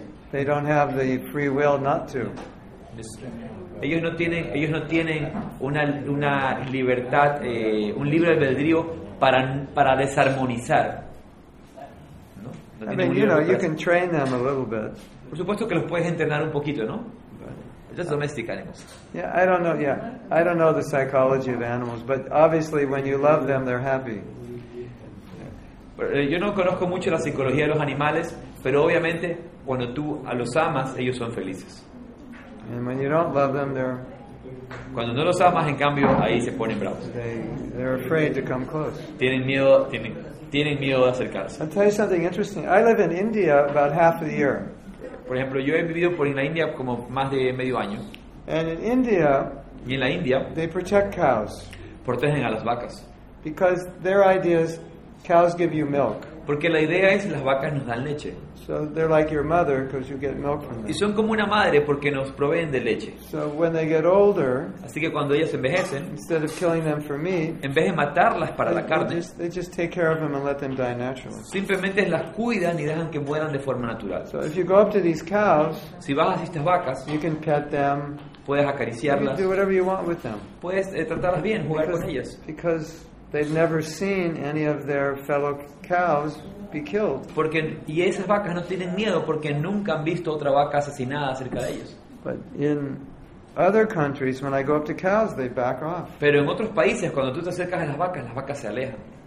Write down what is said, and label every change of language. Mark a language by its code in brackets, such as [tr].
[en] They don't have the free will not to. [es] Ellos no tienen una libertad, un libre albedrío para desarmonizar. [en] I mean, you know, you can train them a little bit. [es] Por supuesto que los puedes entrenar un poquito, ¿no? [en] Just domestic animals. Yeah, I don't know. Yeah, I don't know the psychology of animals, but obviously, when you love them, they're happy. [es] Yo no conozco mucho la psicología de los animales, pero obviamente, cuando tú a los amas, ellos son felices. [en] And when you don't love them, they're. [es] Cuando no los amas, en cambio, ahí se ponen bravos. [en] They're afraid to come close. [es] Tienen miedo de acercarse. [en] I'll tell you something interesting. I live in India about half a year. [es] Por ejemplo, yo he vivido por en la India como más de medio año. [en] And in India, [es] y en la India, [en] they protect cows. [es] Protegen a las vacas. [en] Because their idea is cows give you milk. [es] Porque la idea es las vacas nos dan leche. [en] So they're like your mother because you get milk from them. [es] Y son como una madre porque nos proveen de leche. [en] So when they get older, [es] así que cuando ellas envejecen, [en] instead of killing them for meat, [es] en vez de matarlas para la carne, [en] they just take care of them and let them die naturally. [es] Simplemente las cuidan y dejan que mueran de forma natural. [en] So if you go up to these cows, [es] si vas a estas vacas, [en] you can pet them, [es] puedes acariciarlas, [en] you can do whatever you want with them, [es] puedes tratarlas bien, jugar [en] because, [es] con ellas, [en] because they've never seen any of their fellow cows be killed. [es] Porque y esas vacas no tienen miedo porque nunca han visto otra vaca asesinada cerca de ellos. [en] But in other countries, when I go up to cows, they back off. [es] Pero en otros países, cuando tú te acercas a las vacas se alejan.